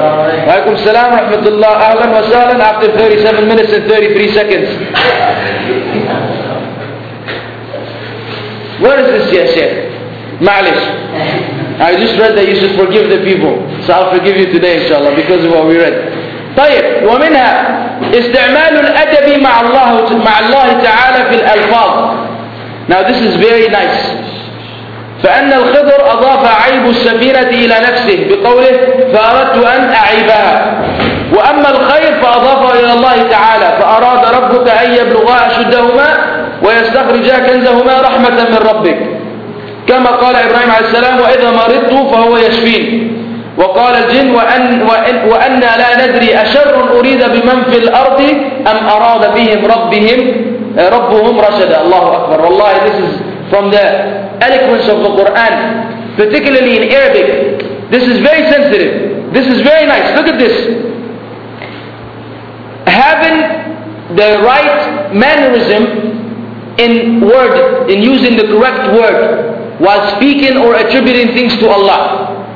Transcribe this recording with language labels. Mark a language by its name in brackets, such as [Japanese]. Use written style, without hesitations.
[English] Wa alaykum salam wa rahmatullah, ahlan wa sahlan, after 37 minutes and 33 seconds. Where is this, ya Shaykh? Ma'alish. I just read that you should forgive the people. So I'll forgive you today, inshallah, because of what we read. [Arabic] طيب ومنها استعمال الأدب مع الله تعالى في الألفاظ. Now this is very nice. فأن الخضر أضاف عيب السفينة إلى نفسه بقوله فأردت أن أعيبها. وأما الخير فأضافه إلى الله تعالى فأراد ربك أن يبلغا أشدهما ويستخرجا كنزهما رحمة من ربك. كما قال إبراهيم عليه السلام وإذا مرضت فهو يشفين. وقال الجن وأن لا ندري أشر أريد بمن في الأرض أم أراد بهم ربهم رشدا. الله أكبر. [English] والله this is from the eloquence of the Quran, particularly in Arabic. This is very sensitive. This is very nice. Look at this. Having the right mannerism in word, in using the correct word while speaking or attributing things to Allah.